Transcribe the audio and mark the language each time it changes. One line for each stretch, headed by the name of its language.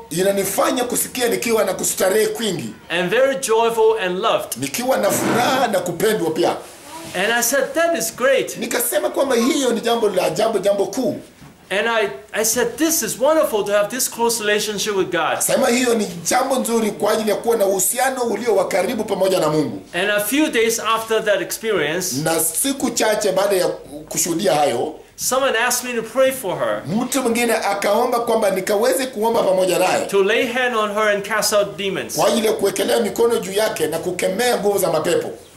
Swahili: Inanifanya kusikia nikiwa na kustarehe kwingi.
English: And very joyful and loved.
Swahili: Nikiwa na furaha na kupendwa pia.
English: And I said that is great.
Swahili: Nikasema kwamba hiyo ni jambo la ajabu jambo kuu.
English: And I said this is wonderful to have this close relationship with God.
Swahili: Sema hiyo ni jambo nzuri kwa ajili ya kuwa na uhusiano ulio wa karibu pamoja na Mungu.
English: And a few days after that experience,
Swahili: na siku chache baada ya kushuhudia hayo,
English: someone asked me to pray for her.
Swahili: Mtu mwingine akaomba kwamba nikaweze kuomba pamoja naye.
English: To lay hand on her and cast out demons.
Swahili: Kwa ajili ya kuwekelea mikono juu yake na kukemea nguvu za mapepo.